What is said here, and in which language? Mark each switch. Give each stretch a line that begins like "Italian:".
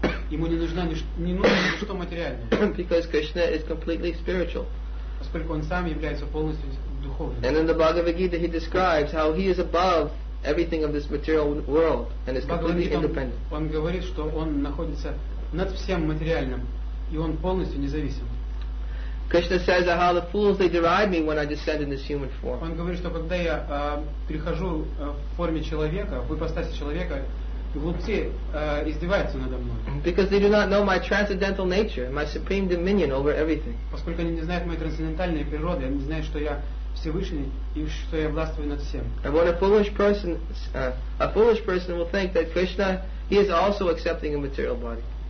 Russian: Ему не нужно ничто материальное.
English: Because Krishna is completely spiritual.
Russian: Поскольку он сам является полностью духовным.
English: And in the Bhagavad Gita he describes how he is above everything of this material world and is completely independent.
Russian: Он говорит, что он находится над всем материальным, и он полностью независим.
English: Krishna says, "Ah, the fools! They deride me when I descend in this human form."
Russian: Он говорит, что когда я перехожу в форме человека, в ипостаси человека, глупцы издеваются надо мной.
English: Because they do not know my transcendental nature, my supreme dominion over everything.
Russian: Поскольку они не знают моей трансцендентальной природы, они не знают, что я Всевышний и что я властвую над всем.
English: And what a foolish person will think that Krishna, he is also accepting a material body.